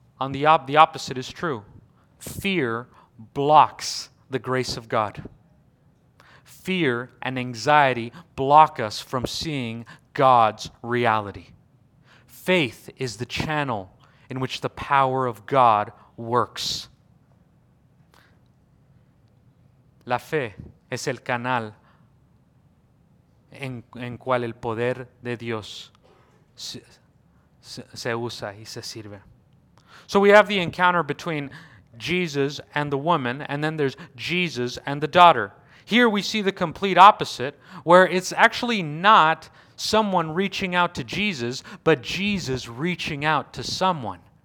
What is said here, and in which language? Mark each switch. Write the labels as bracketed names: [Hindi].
[English] The opposite is true. Fear blocks the grace of God. Fear and anxiety block us from seeing God's reality. Faith is the channel in which the power of God works. [Spanish] La fe es el canal en cual el poder de Dios se usa y se sirve. [English] So we have the encounter between Jesus and the woman, and then there's Jesus and the daughter. Here we see the complete opposite, where it's actually not someone reaching out to Jesus, but Jesus reaching out to someone.